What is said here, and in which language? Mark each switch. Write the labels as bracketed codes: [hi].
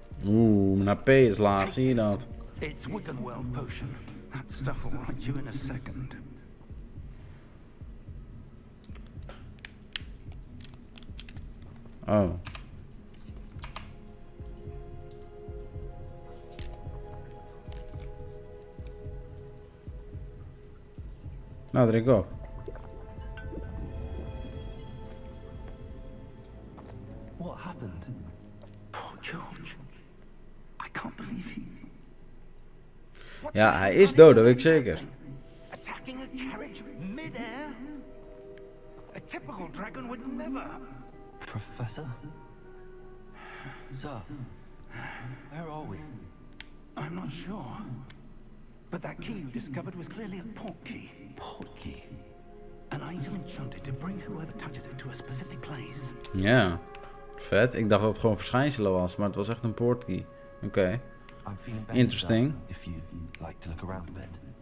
[nl] Oeh, mijn HP is laag, zie je dat? [en] It's Wiganworld potion. That stuff will write you in a second. Oh. Nou, there you go. What happened? Poor George. I can't believe he... [nl] Ja, hij is dood, dat weet ik zeker. [en] Attacking a carriage mid-air? A typical dragon would never... Professor? Sir, where are we? I'm not sure. But that key you discovered was clearly a portkey. Portkey? An item enchanted to bring whoever touches it to a specific place. [nl] Ja, vet. Ik dacht dat het gewoon verschijnselen was, maar het was echt een portkey. [en] Okay. Interesting. If you like to look around a bit.